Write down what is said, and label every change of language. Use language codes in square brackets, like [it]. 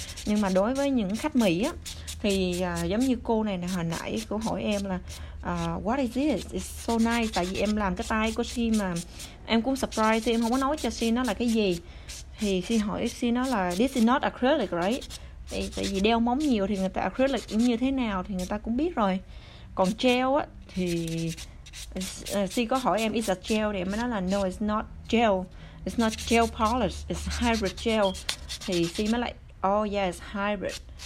[vi] Nhưng mà đối với những khách Mỹ á, thì giống như cô này nè, hồi nãy cô hỏi em là [en] what is this? It's so nice. [vi] Tại vì em làm cái tay của Xi mà em cũng surprise, thì em không có nói cho Xi nó là cái gì. Thì Xi hỏi Xi nó là [en] this is not acrylic, right? [vi] Tại vì đeo móng nhiều thì người ta acrylic cũng như thế nào thì người ta cũng biết rồi. Còn gel á, thì Xi có hỏi em [en] is a gel, [vi] thì em mới nói là [en] no, it's not gel. It's not gel polish, it's hybrid gel. [vi] Thì Xi mới lại [en] oh yeah, it's hybrid.